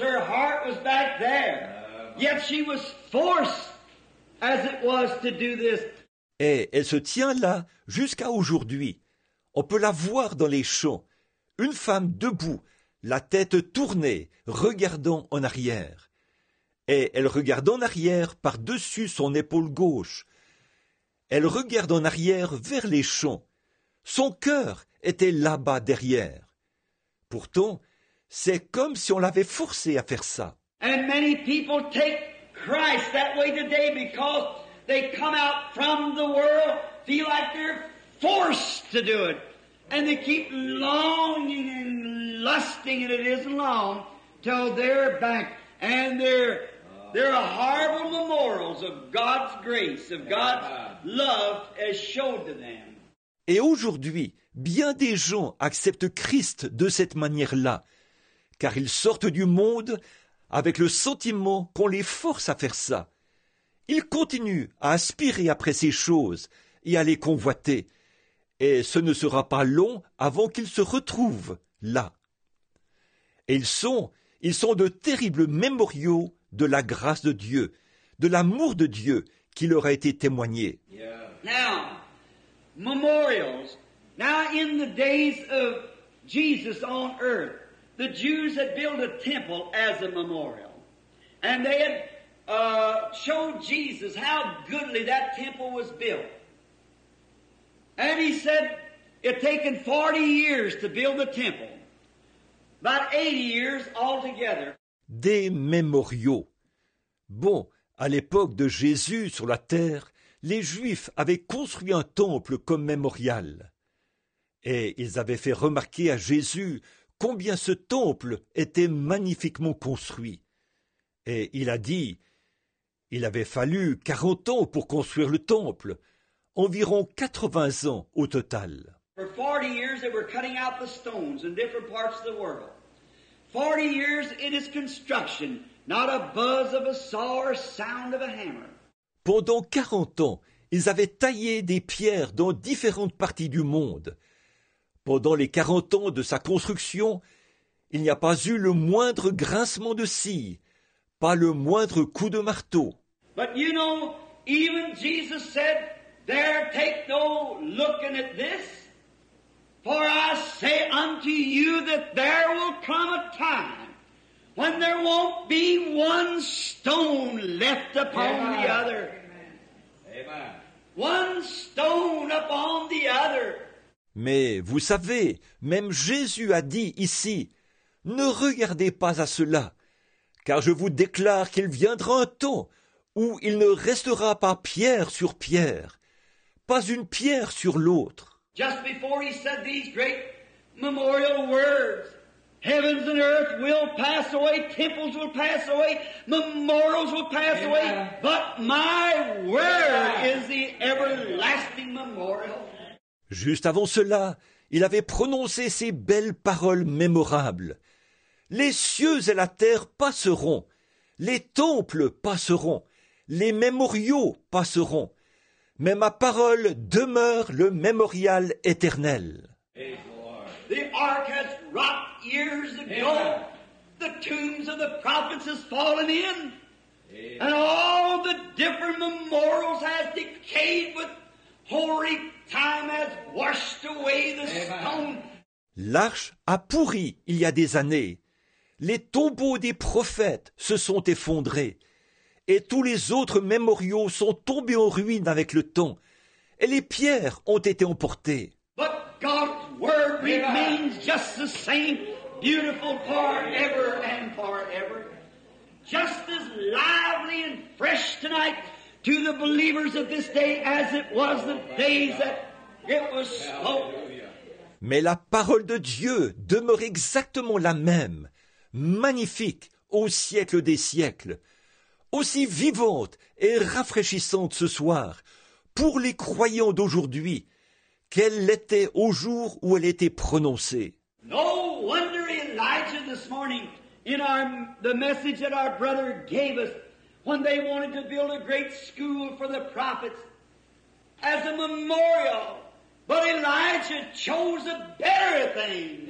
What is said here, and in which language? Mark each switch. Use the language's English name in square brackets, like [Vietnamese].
[English] Her heart was back there. Yet she was forced as it was to do this. [French] Et elle se tient là jusqu'à aujourd'hui. On peut la voir dans les champs. Une femme debout, la tête tournée, regardant en arrière. Et elle regarde en arrière par-dessus son épaule gauche. Elle regarde en arrière vers les champs. Son cœur était là-bas derrière. Pourtant, c'est comme si on l'avait forcée à faire ça. [English] And many people take Christ that way today because they come out from the world, feel like they're forced to do it. And they keep longing and lusting, and it isn't long till they're back. And there are horrible memorials of God's grace, of God's love as showed to them. [French] Et aujourd'hui, bien des gens acceptent Christ de cette manière-là, car ils sortent du monde avec le sentiment qu'on les force à faire ça. Ils continuent à aspirer après ces choses et à les convoiter. Et ce ne sera pas long avant qu'ils se retrouvent là. Et ils sont de terribles mémoriaux de la grâce de Dieu, de l'amour de Dieu qui leur a été témoigné. [English] Yeah. Now, memorials. Now in the days of Jesus on earth, the Jews had built a temple as a memorial. And they had showed Jesus how goodly that temple was built. And he said it had taken 40 years to build the temple. About 80 years altogether. [French] Des mémoriaux. Bon, à l'époque de Jésus sur la terre, les Juifs avaient construit un temple comme mémorial. Et ils avaient fait remarquer à Jésus combien ce temple était magnifiquement construit. Et il a dit, il avait fallu 40 ans pour construire le temple, environ 80 ans au total. [English] For 40 years they were cutting out the stones in different parts of the world. 40 years in its construction, not a buzz of a saw or sound of a hammer. [French] Pendant 40 ans, ils avaient taillé des pierres dans différentes parties du monde. Pendant les 40 ans de sa construction, il n'y a pas eu le moindre grincement de scie, pas le moindre coup de marteau. [English] But you know, even Jesus said, there take no looking at this, for I say unto you that there will come a time when there won't be one stone left upon Amen. The other. Amen. One stone upon the other. [French] Mais vous savez, même Jésus a dit ici, « Ne regardez pas à cela, car je vous déclare qu'il viendra un temps où il ne restera pas pierre sur pierre, pas une pierre sur l'autre. » [English] Just before he said these great memorial words, heavens and earth will pass away, temples will pass away, memorials will pass Amen. Away, but my word Amen. Is the everlasting memorial. [French] Juste avant cela, il avait prononcé ces belles paroles mémorables. « Les cieux et la terre passeront, les temples passeront, les mémoriaux passeront, mais ma parole demeure le mémorial éternel. » [English] The ark has rocked years ago. Amen. The tombs of the prophets has fallen in. Amen. And all the different memorials has decayed with hoary time has washed away the stone. [French] L'arche a pourri il y a des années. Les tombeaux des prophètes se sont effondrés. Et tous les autres mémoriaux sont tombés en ruine avec le temps. Et les pierres ont été emportées. [English] But God's word Amen. Remains just the same, beautiful forever and forever. Just as lively and fresh tonight. To the believers of this day, as it was the days that it was spoken. [French] Mais la parole de Dieu demeure exactement la même, magnifique au siècle des siècles, aussi vivante et rafraîchissante ce soir pour les croyants d'aujourd'hui qu'elle l'était au jour où elle était prononcée. [English] No wonder Elijah this morning in the message that our brother gave us. When they wanted to build a great school for the prophets as a memorial. But Elijah chose a better thing.